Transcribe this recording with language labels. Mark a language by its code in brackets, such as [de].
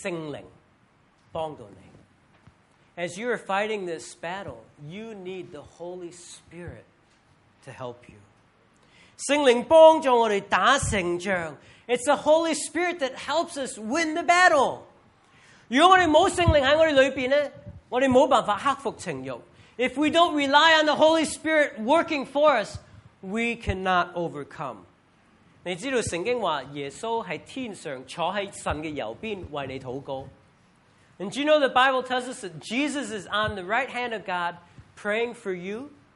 [zh] 我们打这个属灵的战争的时候，你需要圣灵帮助你。 [en] As you are fighting this battle, you need the Holy Spirit to help you. [zh] 圣灵帮助我们打胜仗. [en] It's the Holy Spirit that helps us win the battle. [zh] 如果我们没有圣灵在我们里面，我们没有办法克服情欲. [en] If we don't rely on the Holy Spirit working for us, we cannot overcome. [zh] 你知道圣经说耶稣在天上坐在神的右边为你祷告. [en] And do you know the Bible tells us that Jesus is on the right hand of God praying for you?